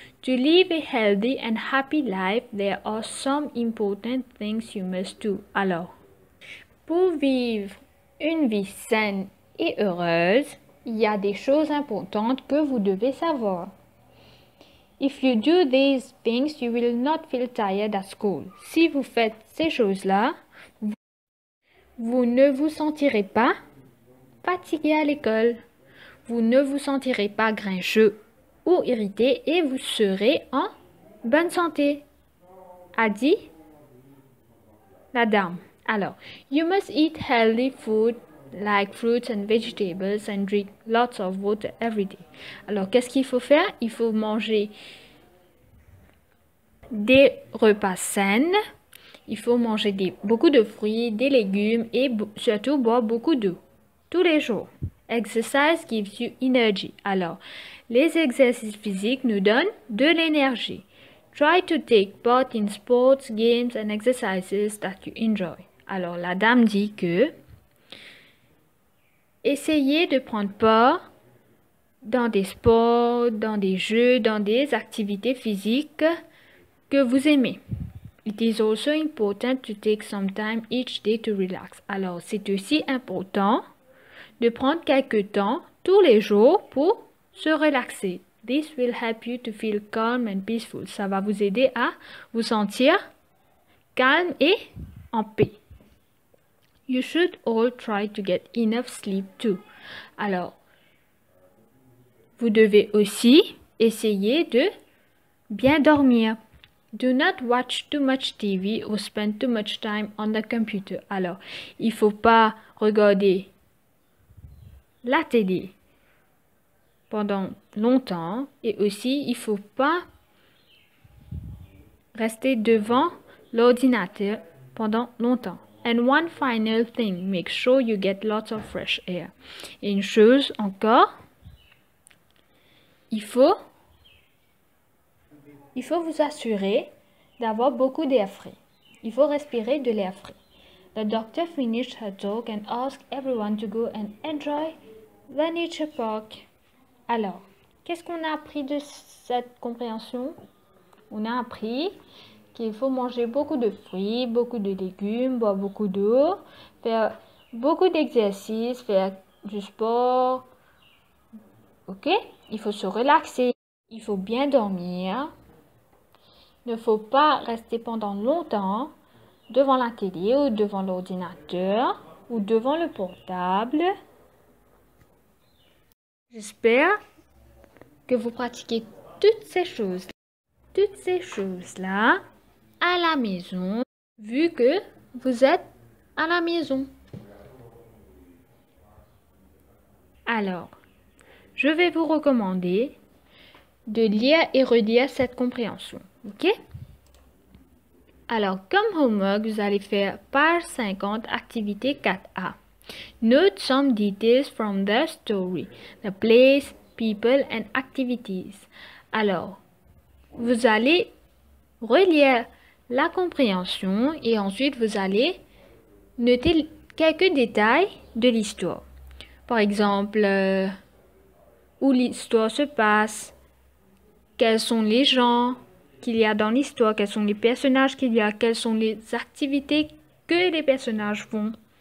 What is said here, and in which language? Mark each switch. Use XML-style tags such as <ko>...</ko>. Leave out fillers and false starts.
<en>To live a healthy and happy life, there are some important things you must do.</en> <fr>Alors, pour vivre une vie saine et heureuse, il y a des choses importantes que vous devez savoir.</fr> <en>If you do these things, you will not feel tired at school.</en> <fr>Si vous faites ces choses-là, vous ne vous sentirez pas fatigué à l'école. Vous ne vous sentirez pas grincheux ou irrité et vous serez en bonne santé, a dit la dame.</fr> <en>Alors, you must eat healthy food like fruits and vegetables and drink lots of water every day.</en> <fr>Alors, qu'est-ce qu'il faut faire? Il faut manger des repas sains, il faut manger beaucoup de fruits, des légumes et surtout boire beaucoup d'eau tous les jours.</fr> <en>Exercise gives you energy.</en> <fr>Alors, les exercices physiques nous donnent de l'énergie.</fr> <en>Try to take part in sports, games and exercises that you enjoy.</en> <fr>Alors, la dame dit que essayez de prendre part dans des sports, dans des jeux, dans des activités physiques que vous aimez.</fr> <en>It is also important to take some time each day to relax.</en> <fr>Alors, c'est aussi important de prendre quelques temps tous les jours pour se relaxer.</fr> <en>This will help you to feel calm and peaceful.</en> <fr>Ça va vous aider à vous sentir calme et en paix.</fr> <en>You should all try to get enough sleep too.</en> <fr>Alors, vous devez aussi essayer de bien dormir.</fr> <en>Do not watch too much TV or spend too much time on the computer.</en> <fr>Alors, il faut pas regarder la télé pendant longtemps et aussi il faut pas rester devant l'ordinateur pendant longtemps.</fr> <en>And one final thing, make sure you get lots of fresh air.</en> <fr>Et une chose encore, il faut vous assurer d'avoir beaucoup d'air frais. Il faut respirer de l'air frais.</fr> <en>The doctor finished her talk and asked everyone to go and enjoy the nature park.</en> <fr>Alors, qu'est-ce qu'on a appris de cette compréhension? On a appris qu'il faut manger beaucoup de fruits, beaucoup de légumes, boire beaucoup d'eau, faire beaucoup d'exercices, faire du sport. Ok? Il faut se relaxer. Il faut bien dormir. Il ne faut pas rester pendant longtemps devant la télé ou devant l'ordinateur ou devant le portable. J'espère que vous pratiquez toutes ces choses-là à la maison, vu que vous êtes à la maison. Alors, je vais vous recommander de lire et relire cette compréhension, ok? Alors, comme homework, vous allez faire page 50, activité 4A.</fr> <en>Note some details from the story, the place, people and activities.</en> <fr>Alors, vous allez relire la compréhension et ensuite vous allez noter quelques détails de l'histoire. Par exemple, où l'histoire se passe, quels sont les gens qu'il y a dans l'histoire, quels sont les personnages qu'il y a, quelles sont les activités que les personnages font.</fr>